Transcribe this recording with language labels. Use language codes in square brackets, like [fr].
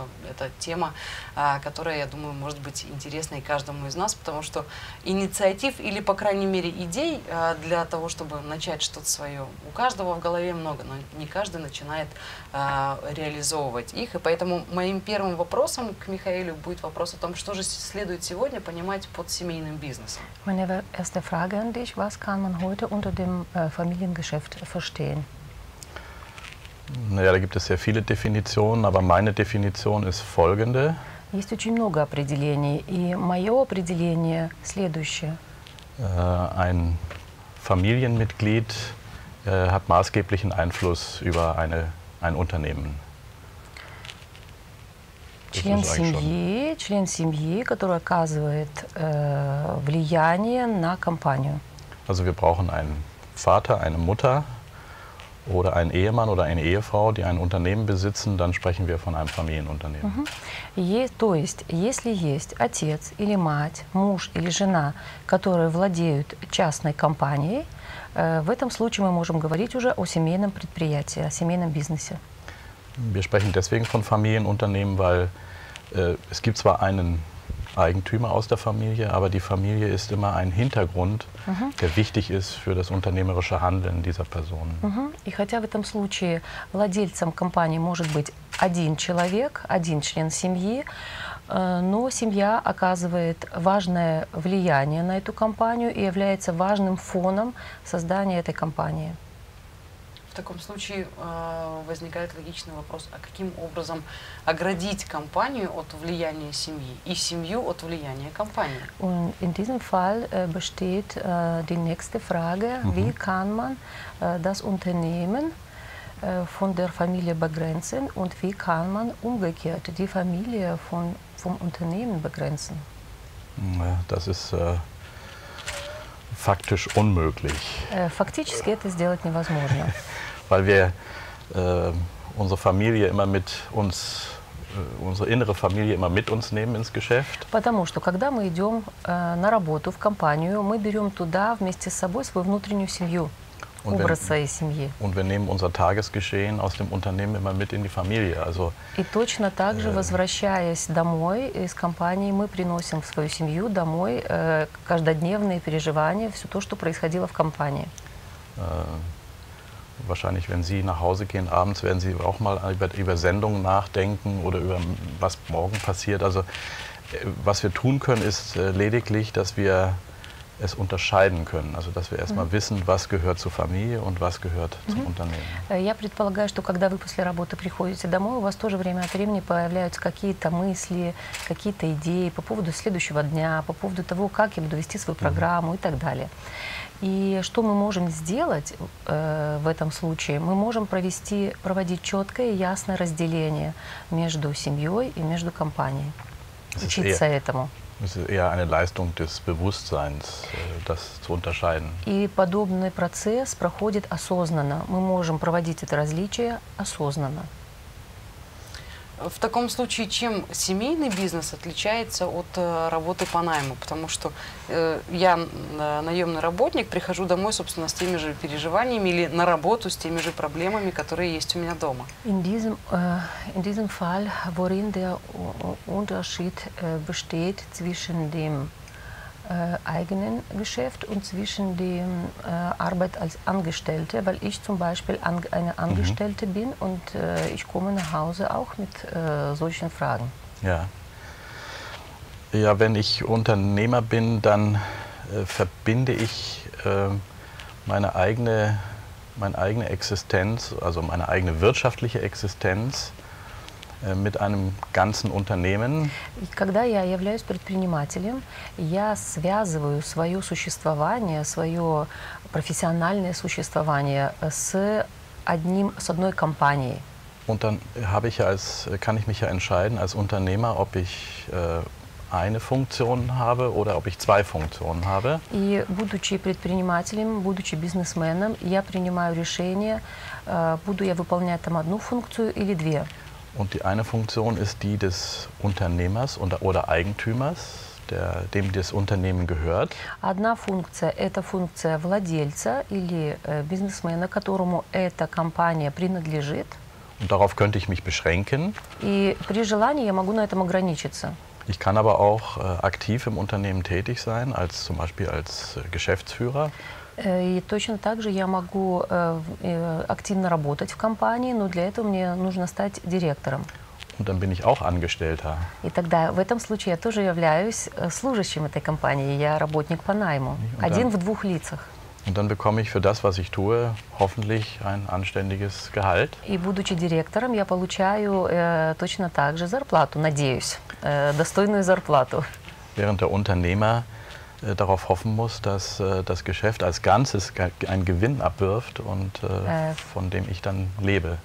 [ru] Это тема, которая, я думаю, может быть интересна и каждому из нас, потому что инициатив или, по крайней мере, идей для того, чтобы начать что-то свое, у каждого в голове много, но не каждый начинает реализовывать их. И поэтому моим первым вопросом к Михаилу будет вопрос о том, что же следует сегодня понимать под семейным бизнесом. [de] Meine erste Frage an dich, was kann man heute unter dem Familiengeschäft verstehen? Naja, da gibt es sehr viele Definitionen, aber meine Definition ist folgende. [ru] Есть очень много определений, и мое определение следующее. [de] Ein Familienmitglied hat maßgeblichen Einfluss über ein Unternehmen. [ru] Член семьи, который оказывает влияние на компанию. [de] Also wir brauchen einen Vater, eine Mutter. Oder ein Ehemann oder eine Ehefrau, die ein Unternehmen besitzen, dann sprechen wir von einem Familienunternehmen. [ru] То есть, если есть отец или мать, муж или жена, которые владеют частной компанией, в этом случае мы можем говорить уже о семейном предприятии, о семейном бизнесе. [de] Wir sprechen deswegen von Familienunternehmen, weil es gibt zwar einen Eigentümer aus der Familie, aber die Familie ist immer ein Hintergrund, der wichtig ist für das unternehmerische Handeln dieser Person. [ru] И хотя в этом случае владельцем компании может быть один человек, один член семьи, но семья оказывает важное влияние на эту компанию и является важным фоном создания этой компании. В таком случае возникает логичный вопрос, а каким образом оградить компанию от влияния семьи и семью от влияния компании? [de] Und in diesem Fall besteht die nächste Frage, wie kann man das Unternehmen von der Familie begrenzen und wie kann man umgekehrt die Familie vom Unternehmen begrenzen? Ja, das ist faktisch unmöglich. Faktisch geht es [ru] сделать невозможно. [de] Weil wir unsere Familie immer mit uns, unsere innere Familie immer mit uns nehmen ins Geschäft. [ru] Потому что когда мы идем на работу в компанию, мы берем туда вместе с собой свою внутреннюю семью, образ своей семьи. [de] Und wir nehmen unser Tagesgeschehen aus dem Unternehmen immer mit in die Familie. Also. [ru] И точно так же, возвращаясь домой из компании, мы приносим в свою семью домой каждодневные переживания, все то, что происходило в компании. [de] Wahrscheinlich, wenn Sie nach Hause gehen abends, werden Sie auch mal über Sendungen nachdenken oder über was morgen passiert. Also was wir tun können, ist lediglich, dass wir es unterscheiden können. Also dass wir erstmal wissen, was gehört zur Familie und was gehört zum Unternehmen. [ru] Я предполагаю, что когда вы после работы приходите домой, у вас тоже время от времени появляются какие-то мысли, какие-то идеи по поводу следующего дня, по поводу того, как я буду вести свою программу и так далее. И что мы можем сделать в этом случае? Мы можем проводить четкое и ясное разделение между семьей и между компанией. Учиться этому. Это [de] eher eine Leistung des Bewusstseins, das zu unterscheiden. [ru] И подобный процесс проходит осознанно. Мы можем проводить это различие осознанно. В таком случае, чем семейный бизнес отличается от работы по найму? Потому что я наемный работник, прихожу домой, собственно, с теми же переживаниями или на работу с теми же проблемами, которые есть у меня дома. [de] In diesem Fall, worin der Unterschied besteht zwischen dem eigenen Geschäft und zwischen dem Arbeit als Angestellte, weil ich zum Beispiel eine Angestellte bin und ich komme nach Hause auch mit solchen Fragen. Ja. Ja, wenn ich Unternehmer bin, dann verbinde ich meine eigene Existenz, also meine eigene wirtschaftliche Existenz mit einem ganzen Unternehmen. [ru] Когда я являюсь предпринимателем, я связываю свое существование, свое профессиональное существование с одним, с одной компанией. [de] Und dann habe ich als, kann ich mich ja entscheiden als Unternehmer, ob ich eine Funktion habe oder ob ich zwei Funktionen habe. [ru] И будучи предпринимателем, будучи бизнесменом, я принимаю решение, буду я выполнять там одну функцию или две. [de] Und die eine Funktion ist die des Unternehmers oder Eigentümers, dem das Unternehmen gehört. [ru] Одна функция – это функция владельца или бизнесмена, которому эта компания принадлежит. [de] Und darauf könnte ich mich beschränken. [ru] И при желании я могу на этом ограничиться. [de] Ich kann aber auch aktiv im Unternehmen tätig sein, als zum Beispiel als Geschäftsführer. [ru] И точно так же я могу активно работать в компании, но для этого мне нужно стать директором. [de] Und dann bin ich auch Angestellter. [ru] И тогда в этом случае я тоже являюсь служащим этой компании, я работник по найму, один в двух лицах. [de] Und dann bekomme ich für das, was ich tue, hoffentlich ein anständiges Gehalt. [ru] И будучи директором, я получаю точно так же зарплату, надеюсь, достойную зарплату. [de] Während der Unternehmer darauf hoffen muss, dass das Geschäft als Ganzes einen Gewinn abwirft und von dem ich dann lebe.